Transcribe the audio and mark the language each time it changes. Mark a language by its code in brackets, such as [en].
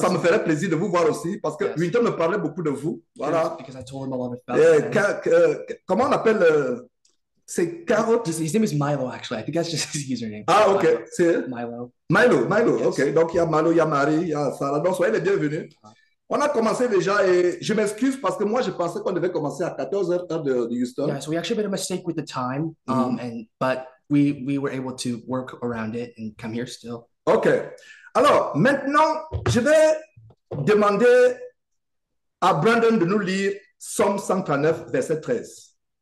[fr] Ça me ferait plaisir de vous voir aussi, parce que Winter me parlait beaucoup de vous, voilà. [en] Because I told him a lot about [fr] comment on appelle, c'est Carotte? [en] His name is Milo, actually, I think that's just his username. [fr] Ah, ok, Milo. C'est? Milo, [en] yes. [fr] Ok, donc il y a Milo, il y a Marie, il y a Sarah, donc soyez les bienvenus. On a commencé déjà et je m'excuse parce que moi je pensais qu'on devait commencer à 14h heure de Houston. [en] Yeah, so we actually made a mistake with the time, but we were able to work around it and come here still. OK. [fr] Alors, maintenant, je vais demander à Brandon de nous lire Psaume 139, verset 13.